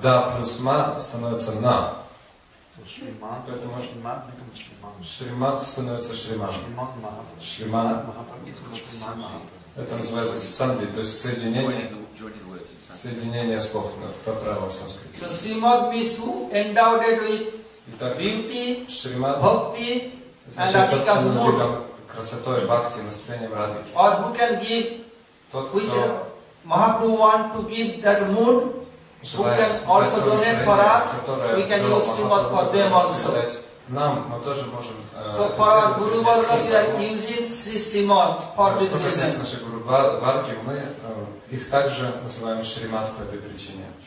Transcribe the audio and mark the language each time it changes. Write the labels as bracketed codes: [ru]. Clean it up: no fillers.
[ru] Да плюс ма становится на. Шриман. Поэтому [en] Шриман becomes Шриман. [ru] Шриман становится Шриман. [sa] Шриман маха. Шриман маха. [ru] Это называется санди, то есть соединение слов на правом санскрите. [en] So Srimad Vishu endowed with beauty, bhakti, and radhika's mood. Bhakti, or who can give, [ru] тот, [en] which Mahaprabhu want to give that mood, who can also donate for us, we can use Srimad for them also. So for our Guru Varga, we are using Sri Srimad for this reason. [ru] Что касается нашей Варги, мы их также называем Шримад по этой причине.